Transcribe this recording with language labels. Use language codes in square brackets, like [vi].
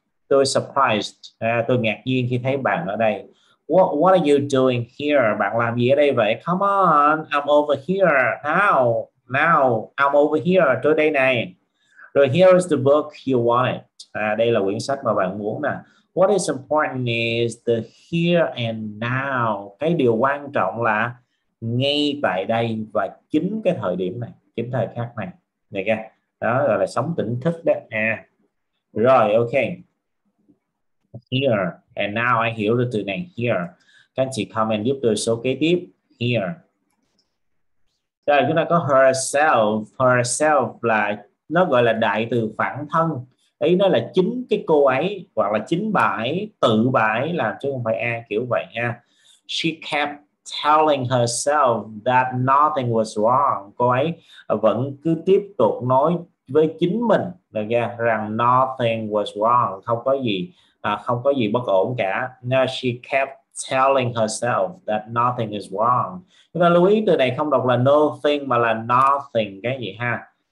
[vi] Tôi surprised, tôi ngạc nhiên khi thấy bạn ở đây. [en] What are you doing here? [vi] Bạn làm gì ở đây vậy? [en] Come on, I'm over here now. Now, I'm over here. [vi] Tôi đây này. Rồi [en] here is the book you wanted. [vi] À, đây là quyển sách mà bạn muốn nè. [en] What is important is the here and now. [vi] Cái điều quan trọng là ngay tại đây và chính cái thời điểm này, chính thời khắc này. Này kia. Đó gọi là sống tỉnh thức đó à. Rồi ok, [en] here and now, [vi] anh hiểu được từ này here. Các anh chị comment giúp tôi số kế tiếp here. Rồi chúng ta có herself. Herself là nó gọi là đại từ phản thân, ý nó là chính cái cô ấy hoặc là chính bà ấy, tự bà ấy làm chứ không phải ai, kiểu vậy ha. [en] She kept telling herself that nothing was wrong. [vi] Cô ấy vẫn cứ tiếp tục nói với chính mình là ra rằng [en] nothing was wrong, [vi] không có gì, không có gì bất ổn cả. [en] Now she kept telling herself that nothing is wrong. [vi] Chúng ta lưu ý từ này không đọc là nothing mà là nothing cái gì ha.